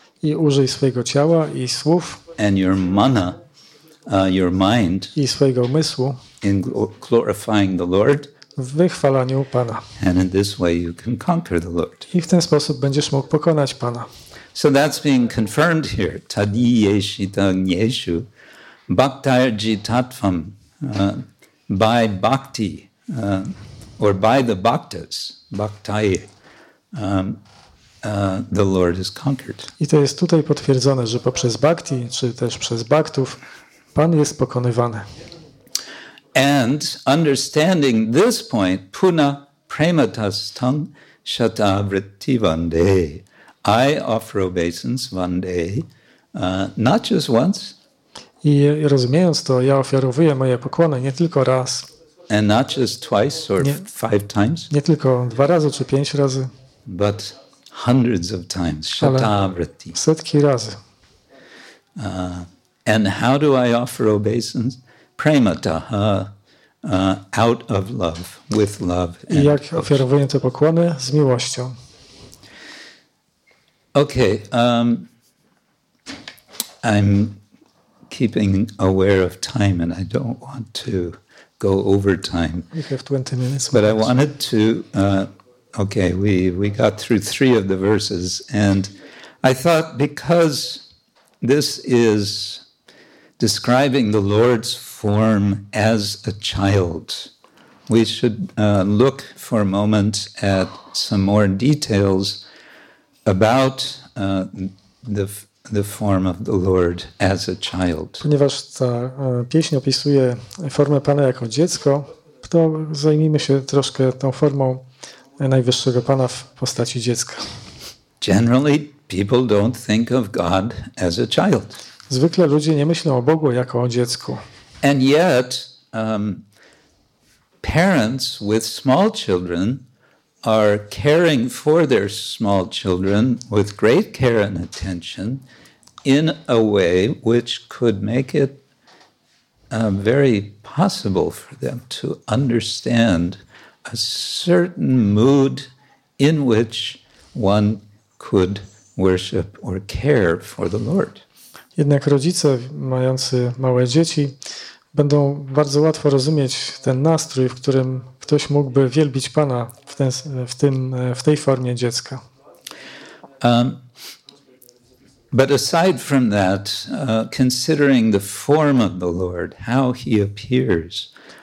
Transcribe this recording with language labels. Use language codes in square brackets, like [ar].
[pl] I użyj swojego ciała i słów. [en] And your mana. Your mind [pl] i swojego umysłu [en] in glorifying the Lord, [pl] w wychwalaniu Pana. [en] And in this way you can conquer the Lord. [pl] I w ten sposób będziesz mógł pokonać Pana. [en] So that's being confirmed here. [sa] Tadiyeshita nyeshu bhaktair jitatvam [en] by bhakti or by the bhaktas bhaktai the Lord is conquered. [pl] I to jest tutaj potwierdzone, że poprzez bhakti czy też przez bhaktów Pan jest pokonywany. [en] And understanding this point, [sa] puna prematas tang shata vritti vande, [en] I offer obeisance vande, not just once. [pl] I rozumiejąc to, ja ofiarowuję moje pokłony nie tylko raz. [en] And not just twice or five times. [pl] Nie tylko dwa razy czy pięć razy. [en] But hundreds of times, shata vritti. [pl] Setki razy. [en] And how do I offer obeisance? Prematah, out of love, with love. [pl] I jak ofiarowuję te pokłony? Z miłością. [en] Okay, I'm keeping aware of time and I don't want to go over time. We have 20 minutes. But I wanted to, we got through three of the verses and I thought because this is describing the Lord's form as a child, we should look for a moment at some more details about the form of the Lord as a child. [pl] Ponieważ ta pieśń opisuje formę Pana jako dziecko, to zajmijmy się troszkę tą formą Najwyższego Pana w postaci dziecka. [en] Generally, people don't think of God as a child. [pl] Zwykle ludzie nie myślą o Bogu jako o dziecku. [en] And yet, parents with small children are caring for their small children with great care and attention in a way which could make it very possible for them to understand a certain mood in which one could worship or care for the Lord. [pl] Jednak rodzice mający małe dzieci będą bardzo łatwo rozumieć ten nastrój, w którym ktoś mógłby wielbić Pana w tej formie dziecka. [en] But aside from that, considering the form of the Lord, how he appears